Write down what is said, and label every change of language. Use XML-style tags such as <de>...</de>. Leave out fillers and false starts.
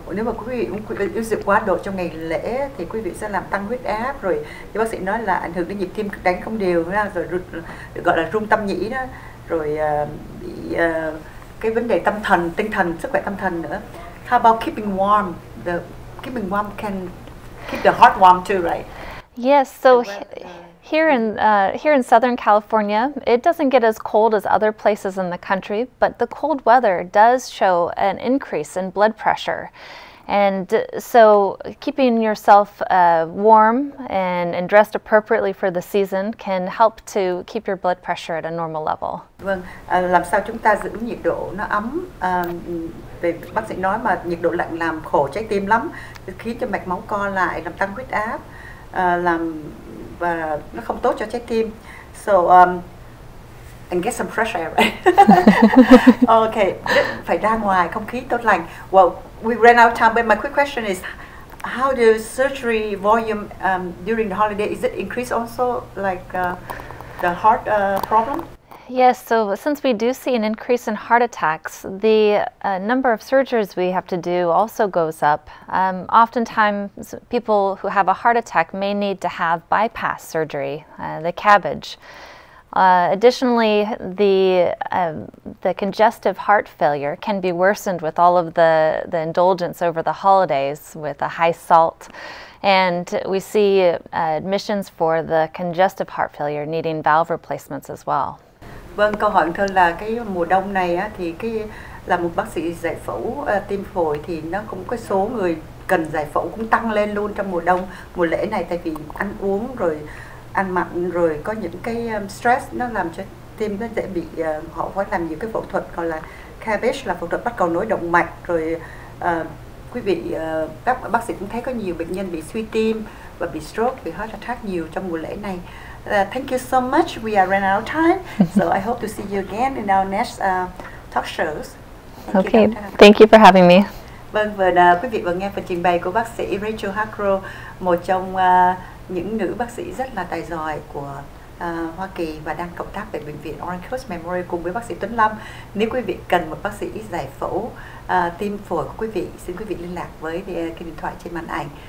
<vi>Nếu mà quý vị uống rượu quá độ trong ngày lễ thì quý vị sẽ làm tăng huyết áp, rồi như bác sĩ nói là ảnh hưởng đến nhịp tim đánh không đều, rồi gọi là rung tâm nhĩ đó. Rồi bị cái vấn đề tâm thần, tinh thần, sức khỏe tâm thần nữa.</vi> <en>How about keeping warm? Keeping warm can keep the heart warm too, right? Yes, so here in Southern California, it doesn't get as cold as other places in the country, but the cold weather does show an increase in blood pressure. And so keeping yourself warm and dressed appropriately for the season can help to keep your blood pressure at a normal level.</en> <vi>Vâng, làm sao chúng ta giữ nhiệt độ nó ấm. Bác sĩ nói mà nhiệt độ lạnh làm khổ trái tim lắm, khiến cho mạch máu co lại, làm tăng huyết áp, làm và nó không tốt cho trái tim.</vi> <en>So and get some fresh air. Okay,</en> <vi>phải ra ngoài không khí tốt lành.</vi> <en>Well, we ran out of time, but my quick question is, how do surgery volume during the holiday, is it increased also, like the heart problem? Yes, so since we do see an increase in heart attacks, the number of surgeries we have to do also goes up. Oftentimes, people who have a heart attack may need to have bypass surgery, the CABG. Additionally, the congestive heart failure can be worsened with all of the indulgence over the holidays with a high salt. And we see admissions for the congestive heart failure needing valve replacements as well.</en> <vi>Vâng, câu hỏi thưa là cái mùa đông này á, thì cái là một bác sĩ giải phẫu tim phổi thì nó cũng có số người cần giải phẫu cũng tăng lên luôn trong mùa đông, mùa lễ này, tại vì ăn uống rồi ăn mặn rồi có những cái stress nó làm cho tim nó dễ bị họ phải làm nhiều cái phẫu thuật gọi là CABG, là phẫu thuật bắt cầu nối động mạch. Rồi quý vị các bác sĩ cũng thấy có nhiều bệnh nhân bị suy tim và bị stroke, bị heart attack nhiều trong mùa lễ này.</vi> <en>Thank you so much. We are running out of time. So I hope to see you again in our next talk shows. Okay. Thank you for having me.</en> <vi>Vâng, vừa quý vị vừa nghe phần trình bày của bác sĩ Rachel Hargrove, một trong những nữ bác sĩ rất là tài giỏi của Hoa Kỳ và đang cộng tác tại bệnh viện Orange Coast Memorial cùng với bác sĩ Tuấn Lâm. Nếu quý vị cần một bác sĩ giải phẫu tim phổi của quý vị, xin quý vị liên lạc với cái điện thoại trên màn ảnh.</vi>